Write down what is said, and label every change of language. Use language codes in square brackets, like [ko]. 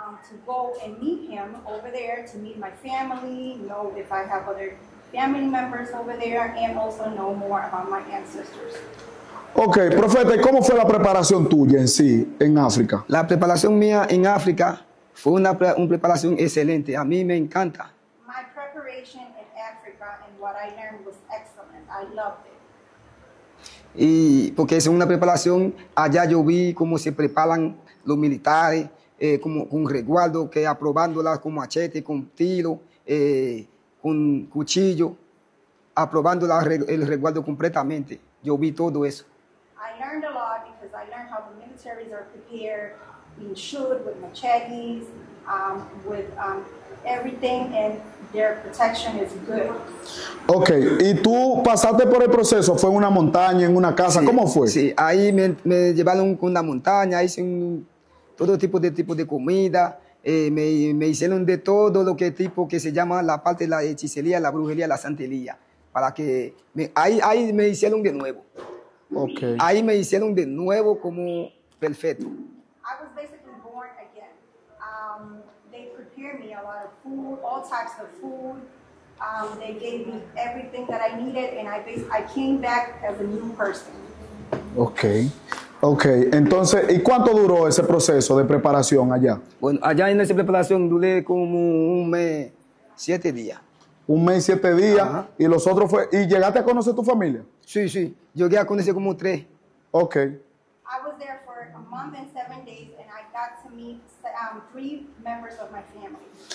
[en] To go and meet him over there, to meet my family, know if I have other family members over there, and also know more about my ancestors. [es] Okay, profeta, ¿cómo fue la preparación tuya en sí, en África? La preparación mía en África fue una preparación excelente. A mí me encanta. [en] My preparation in Africa and what I learned was excellent. I loved it. [es] Y porque es una preparación, allá yo vi cómo se preparan los militares, como con resguardo, que aprobándola con machete, con tiro, con cuchillo, aprobándola el resguardo completamente. Yo vi todo eso. [en] I learned a lot because I learned how militaries are prepared, being shot with machetes, with everything, and their protection is good. [es] Okay, y tú pasaste por el proceso, fue en una montaña, en una casa, sí, ¿cómo fue? Sí, ahí me llevaron con una montaña, hice todo tipo de comida. Me hicieron de todo lo que tipo que se llama la parte de la hechicería, la brujería, la santería, para que ahí me hicieron de nuevo. Okay. Ahí me hicieron de nuevo como perfecto. [en] I was basically born again. They prepared me a lot of food, all types of food. They gave me everything that I needed and I came back as a new person. [es] Okay. Okay, entonces, ¿y cuánto duró ese proceso de preparación allá? Bueno, allá en esa preparación duré como un mes, 7 días. Un mes, 7 días. Ajá. Y los otros fue, ¿y llegaste a conocer tu familia? Sí, sí, llegué a conocer como 3. Okay. [en] I was there for a month and 7 days and I got to meet 3 members of my family.